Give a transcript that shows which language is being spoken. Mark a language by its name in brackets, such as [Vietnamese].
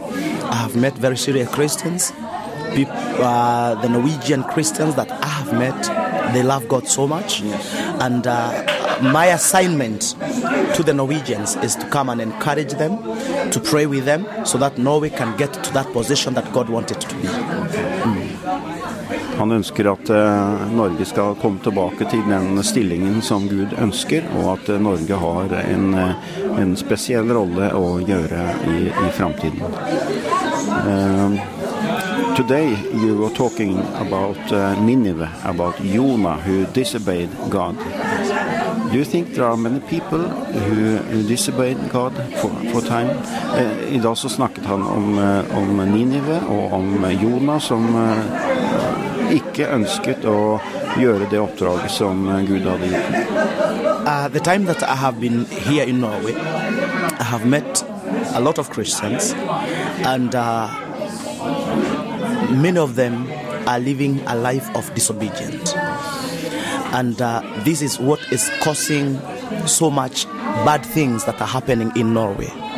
[English] I have met very serious Christians, the Norwegian Christians that I have met, they love God so much. Yes. And my assignment to the Norwegians is to come and encourage them, to pray with them, so that Norway can get to that position that God wanted to be. [Norwegian] Han ønsker at Norge skal komme tilbake til den stillingen som Gud ønsker, og at Norge har en spesiell rolle å gjøre I fremtiden. [English] Today you were talking about Nineveh, about Jonah who disobeyed God. Do you think there are many people who disobeyed God for time? [Norwegian] Idag så snakket han om Nineveh og om Jonah som ikke ønsket å gjøre det oppdrag som Gud hadde gitt. [English] The time that I have been here in Norway, I have met a lot of Christians, and many of them are living a life of disobedience. And this is what is causing so much bad things that are happening in Norway.